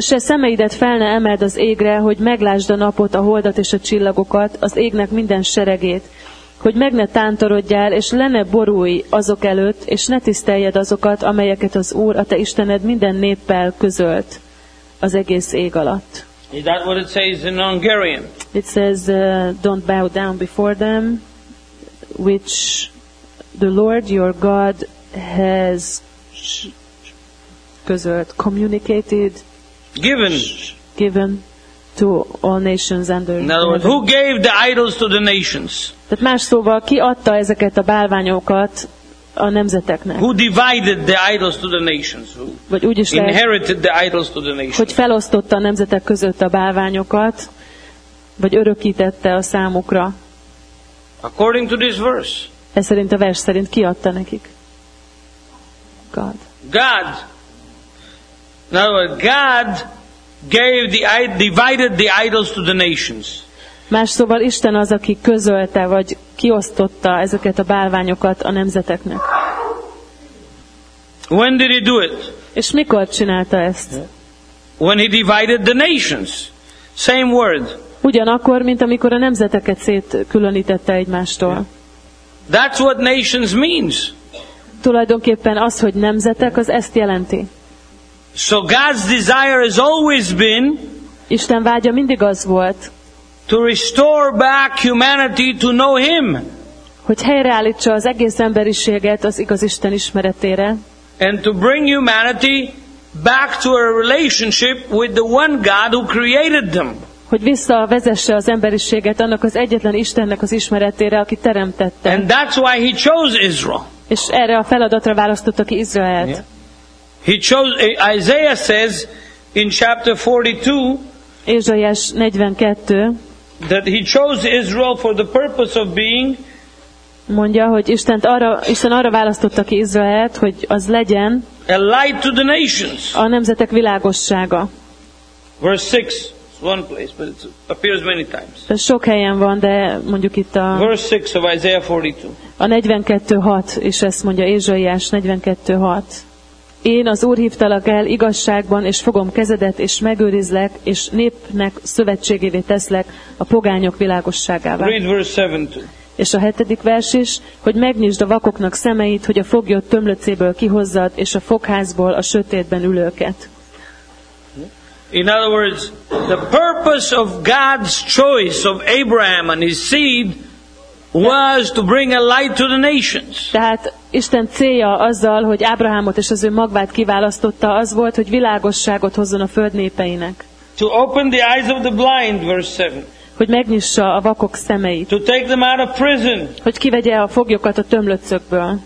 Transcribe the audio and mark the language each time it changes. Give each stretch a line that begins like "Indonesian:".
Hungarian: Se szemeidet fel ne emeld az égre, hogy meglásd a napot, a holdat és a csillagokat, az égnek minden seregét, hogy meg ne tántorodjál, és le ne borulj azok előtt, és ne tiszteljed azokat, amelyeket az Úr, a te Istened minden néppel közölt. Az egész ég alatt.
English: Is that what it says in Hungarian? It says, don't bow down before them, which the Lord your God has közölt, communicated, given to all nations under. In other words, who gave the idols to the nations?
Hungarian: Tehát más szóval, ki adta ezeket a bálványokat a nemzeteknek?
English: Who divided the idols to the nations?
Hungarian: Vagy úgy is
English: inherited the idols to the nations?
Hungarian: Hogy felosztotta a nemzetek között a bálványokat, vagy örökítette a számukra?
English: According to this verse.
Hungarian: Ez szerint a vers szerint ki adta nekik?
English: God. God. In other words, God gave the divided the idols to the nations.
Hungarian: Más szóval Isten az, aki közölte vagy kiosztotta ezeket a bálványokat a nemzeteknek.
English: When did he do it?
Hungarian: És mikor csinálta ezt?
English: When he divided the nations. Same word.
Hungarian: Ugyanakkor, mint amikor a nemzeteket szétkülönítette egymástól.
English: Yeah. That's what nations means.
Hungarian: Tulajdonképpen az, hogy nemzetek, az ezt jelenti.
English: So God's desire has always been.
Hungarian: Isten vágya mindig az volt.
English: To restore back humanity to know Him.
Hungarian: Hogy helyreállítsa az egész emberiséget az igaz Isten ismeretére.
English: And to bring humanity back to a relationship with the one God who created them.
Hungarian: Hogy visszavezesse az emberiséget annak az egyetlen Istennek az ismeretére, aki teremtette.
English: And that's why He chose Israel.
Hungarian: És erre a feladatra választotta ki Izraelt.
English: Yeah. He chose. Isaiah says in chapter 42.
Hungarian: Ézsaiás 42.
English: That he chose Israel for the purpose of being.
Hungarian: Mondja, hogy Isten arra választotta ki Izraelt, hogy az legyen.
English: A light to the nations.
Hungarian: A nemzetek világossága.
English: Verse 6. It's one place, but it appears many times.
Hungarian: Ez sok helyen van, de mondjuk itt a.
English: Verse 6 of Isaiah 42.
Hungarian: A 42:6 és ezt mondja Ézsaiás 42:6. Én az Úr hívtalak el igazságban, és fogom kezedet, és megőrizlek, és népnek szövetségévé teszlek a pogányok világosságává.
English: Read verse 7-2.
Hungarian: És a hetedik vers is, hogy megnyisd a vakoknak szemeit, hogy a foglyot tömlöcéből kihozzad, és a fogházból a sötétben ülőket.
English: In other words, the purpose of God's choice of Abraham and his seed was to bring a light to the nations.
Hungarian: Tehát Isten célja azzal, hogy Ábrahámot és az ő magvát kiválasztotta, az volt, hogy világosságot hozzon a föld népeinek.
English: To open the eyes of the blind, verse 7.
Hungarian: Hogy megnyissa a vakok szemeit.
English: To take them out of prison.
Hungarian: Hogy kivegye a foglyokat a tömlöcökből.